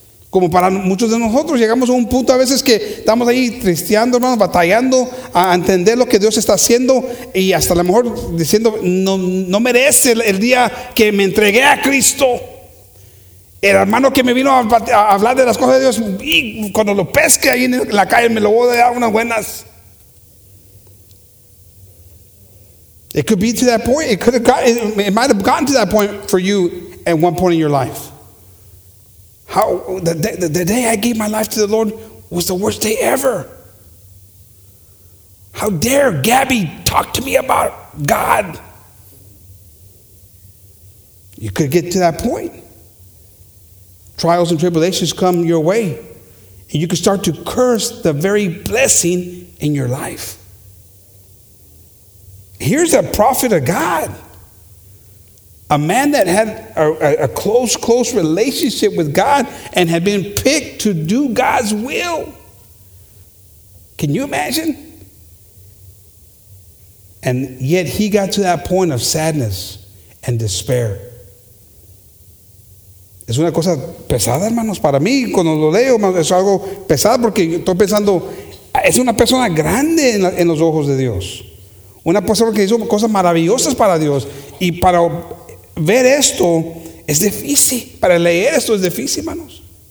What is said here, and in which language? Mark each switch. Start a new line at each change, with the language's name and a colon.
Spanish: Como para muchos de nosotros llegamos a un punto a veces que estamos ahí tristeando, hermanos, batallando a entender lo que Dios está haciendo y hasta a lo mejor diciendo no merece el día que me entregué a Cristo. El hermano que me vino a hablar de las cosas de Dios, y cuando lo pesque ahí en la calle me lo voy a dar unas buenas.
English: It could be to that point. It might have gotten to that point for you at one point in your life. The day I gave my life to the Lord was the worst day ever. How dare Gabby talk to me about God? You could get to that point. Trials and tribulations come your way, and you can start to curse the very blessing in your life. Here's a prophet of God. A man that had a close relationship with God and had been picked to do God's will. Can you imagine? And yet he got to that point of sadness and despair.
Spanish: Es una cosa pesada, hermanos. Para mí, cuando lo leo, es algo pesado porque estoy pensando, es una persona grande en los ojos de Dios. Una persona que hizo cosas maravillosas para Dios. Y para ver esto es difícil. Para leer esto es difícil, hermanos.